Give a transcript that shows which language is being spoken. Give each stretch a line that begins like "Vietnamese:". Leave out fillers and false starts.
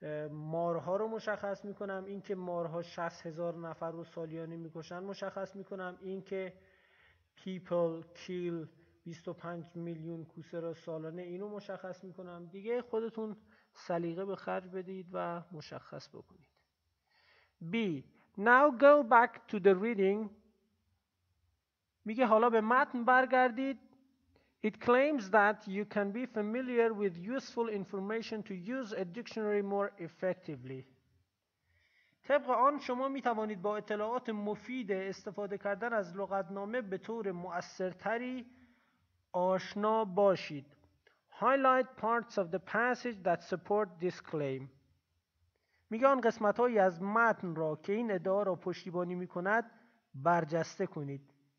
Persian: مارها رو مشخص میکنم، اینکه مارها 60,000 نفر رو سالیانه میکشن مشخص میکنم، اینکه
English: people kill
Persian: 25 میلیون کوسه را سالانه اینو مشخص میکنم. دیگه خودتون سلیقه به خرج بدید و مشخص بکنید.
English: B. Now go back to the reading.
Persian: میگه حالا به متن برگردید.
English: It claims that you can be familiar with useful information to use a dictionary more effectively.
Persian: طبق آن شما میتوانید با اطلاعات مفید استفاده کردن از لغتنامه به طور مؤثرتری آشنا باشید.
English: Highlight parts of the passage that support this claim.
Persian: میگه آن قسمت هایی از متن را که این ادعا را پشتیبانی میکند برجسته کنید.